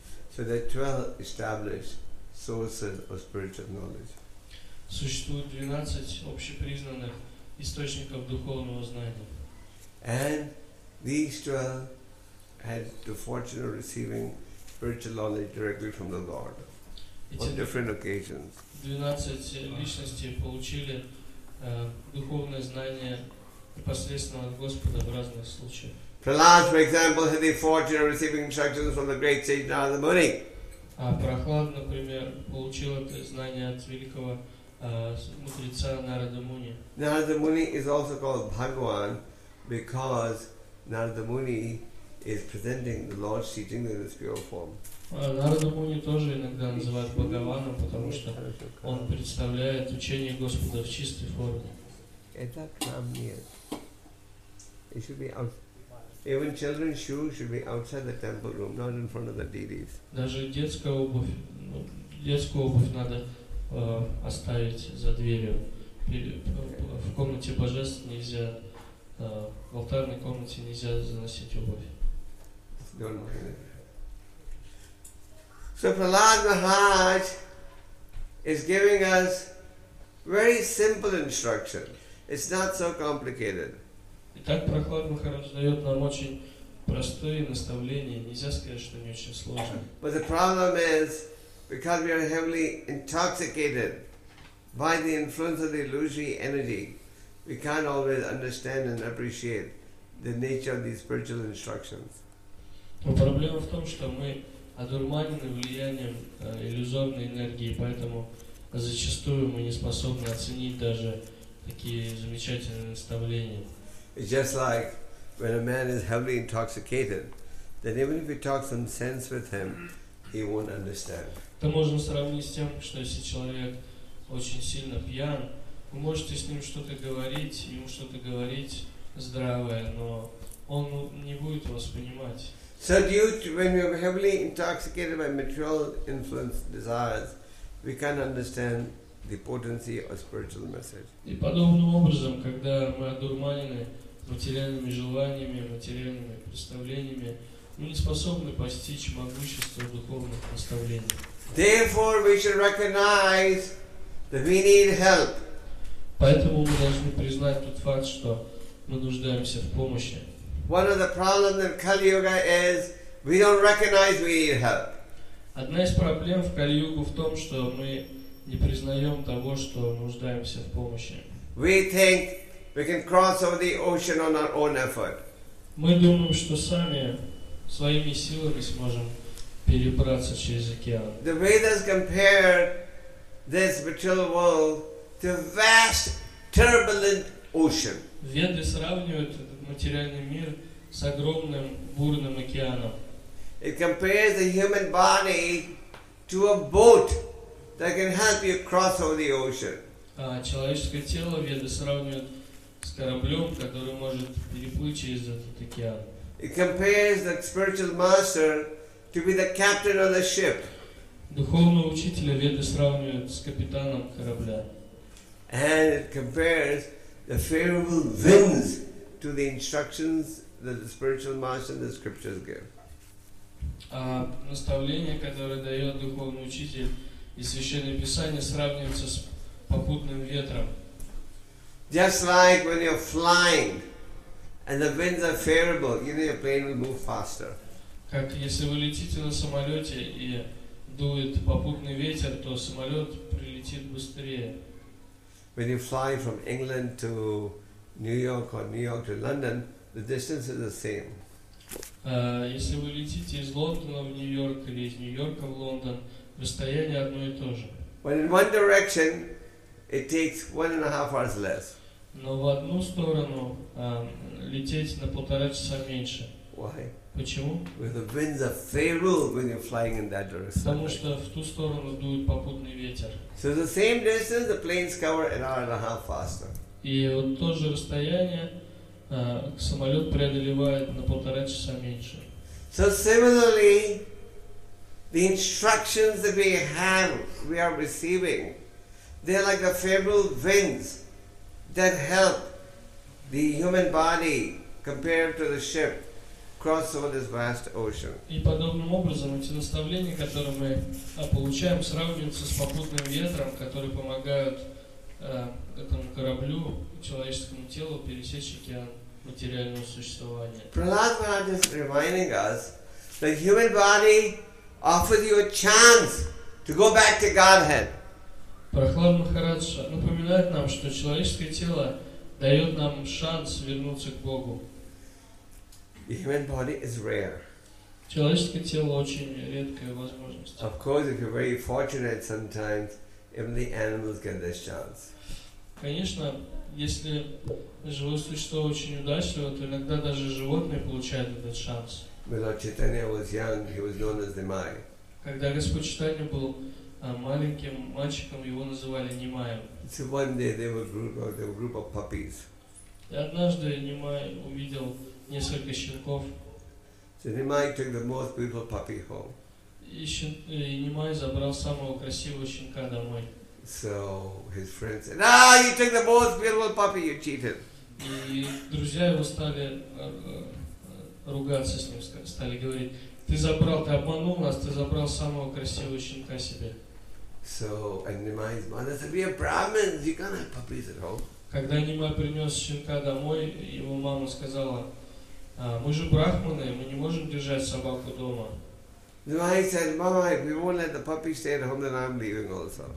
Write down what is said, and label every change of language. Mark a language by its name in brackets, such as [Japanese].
[English] So there are 12 established sources of spiritual knowledge. [Russian] Существует 12 общепризнанных источников духовного знания. [English] And these 12 had the fortune of receiving spiritual knowledge directly from the Lord on different occasions. [Russian] 12 личностей получили духовное знание непосредственно от Господа в разных случаях. [English] Prahlad, for example, had the fortune of receiving instructions from the great sage Narada Muni. [Russian] Prahlad, например, получил это знание от великого мудреца Narada Muni. [English] Narada Muni is also called Bhagwan because Narada Muni is presenting the Lord's teaching in its pure form. [Russian] Narada Muni тоже иногда называют Бхагаваном, потому что он представляет учение Господа в чистой форме. Это камня. [English] It should be out. Even children's shoes should be outside the temple room, not in front of the deities. [Russian] Даже детскую обувь надо оставить за дверью. В комнате божеств нельзя, в алтарной комнате нельзя заносить обувь. [English] So Prahlad Maharaj is giving us very simple instruction. It's not so complicated. [Russian] Итак, Прохлад Махарадж дает нам очень простые наставления. Нельзя сказать, что они очень сложные. [English] But the problem is, because we are heavily intoxicated by the influence of the illusory energy, we can't always understand and appreciate the nature of these spiritual instructions. [Russian] Но проблема в том, что мы одурманены влиянием иллюзорной энергии, поэтому зачастую мы не способны оценить даже такие замечательные наставления. [English] It's just like when a man is heavily intoxicated, then even if you talk some sense with him, he won't understand. [Russian] Это можно сравнить с тем, что если человек очень сильно пьян, вы можете с ним что-то говорить, ему что-то говорить здравое, но он не будет вас понимать. [English] So you, when you're heavily intoxicated by material influence desires, we can understand the potency of spiritual message. [Russian] И подобным образом, когда мы одурманены материальными желаниями, материальными представлениями, мы не способны постичь могущество духовных представлений. [English] Therefore, we should recognize that we need help. [Russian] Поэтому мы должны признать тот факт, что мы нуждаемся в помощи. [English] One of the problems in Kali Yuga is we don't recognize we need help. [Russian] Одна из проблем в Кали Югу в том, что мы не признаем того, что нуждаемся в помощи. [English] We think we can cross over the ocean on our own effort. [Russian] Мы думаем, что сами своими силами сможем перебраться через океан. [English] The Vedas compare this material world to a vast, turbulent ocean. [Russian] Веды сравнивают материальный мир с огромным бурным океаном. [English] It compares the human body to a boat that can help you cross over the ocean. [Russian] А человеческое тело веды сравнивают с кораблем, который может переплыть через этот океан. [English] It compares the spiritual master to be the captain of the ship. [Russian] Духовного учителя веды сравнивают с капитаном корабля. [English] And it compares the favorable winds to the instructions that the spiritual master and the scriptures give. [Russian] Наставление, которое дает духовный учитель и священное писание, сравнивается с попутным ветром. [English] Just like when you're flying and the winds are favorable, you know your plane will move faster. [Russian] Как если вы летите на самолете и дует попутный ветер, то самолет прилетит быстрее. [English] When you fly from England to New York or New York to London, the distance is the same. [Russian] Если вы летите из Лондона в Нью-Йорк или из Нью-Йорка в Лондон, расстояние одно и то же. [English] But in one direction, it takes 1.5 hours less. [Russian] Но в одну сторону лететь на полтора часа меньше. [English] Why? [Russian] Почему? [English] Because the winds are favorable when you're flying in that direction. [Russian] Потому что в ту сторону дует попутный ветер. [English] So the same distance, the planes cover 1.5 hours faster. [Russian] И вот то же расстояние самолет преодолевает на полтора часа меньше. [English] So similarly, the instructions that we have, we are receiving, they're like the favorable winds that help the human body compared to the ship cross over this vast ocean. [Russian] И подобным образом эти наставления, которые мы получаем, сравниваются с попутным ветром, который помогает этому кораблю, человеческому телу пересечь океан материального существования. [English] Prahlad Maharaj is reminding us that human body offers you a chance to go back to Godhead. [Russian] Prahlad Maharaj напоминает нам, что человеческое тело дает нам шанс вернуться к Богу. [English] The human body is rare. [Russian] Человеческое тело очень редкая возможность. [English] Of course, if you're very fortunate, sometimes even the animals get this chance. [Russian] Конечно, если живое существо очень удачливо, то иногда даже животные получают этот шанс. [English] Lord Chaitanya was young, he was known as Nimai. [Russian] Когда Господь Читания был маленьким мальчиком, его называли Нимаем. [English] So one day there were a group of puppies. [Russian] И однажды Нимай увидел несколько щенков. [English] So Nimai took the most beautiful puppy home. [Russian] И Нимай забрал самого красивого щенка домой. [English] So his friends said, "Ah, you took the most beautiful puppy. You cheated." [Russian] И друзья его стали ругаться с ним, стали говорить: "Ты забрал, ты обманул нас, ты забрал самого красивого щенка себе." [English] So Nimai's mother said, "We are Brahmins. You can't have puppies at home." [Russian] Когда Нимай принес щенка домой, его мама сказала: "Мы же брахманы, мы не можем держать собаку дома." [English] Nimai said, "Mama, if we won't let the puppy stay at home, then I'm leaving also."